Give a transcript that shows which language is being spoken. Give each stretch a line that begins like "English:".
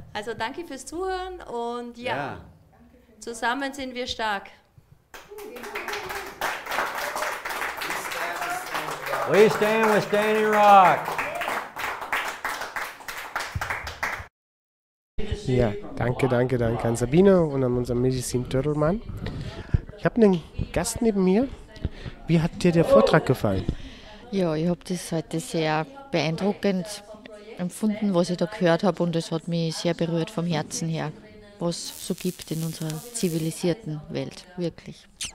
German: Also danke fürs Zuhören und ja, zusammen sind wir stark.
English: We stand with Standing Rock.
German: Ja, danke, danke, danke an Sabine und an unseren Medizin Törlmann. Ich habe einen Gast neben mir. Wie hat dir der Vortrag gefallen? Ja, ich habe das heute sehr beeindruckend empfunden, was ich da gehört habe, und es hat mich sehr berührt vom Herzen her, was es so gibt in unserer zivilisierten Welt, wirklich.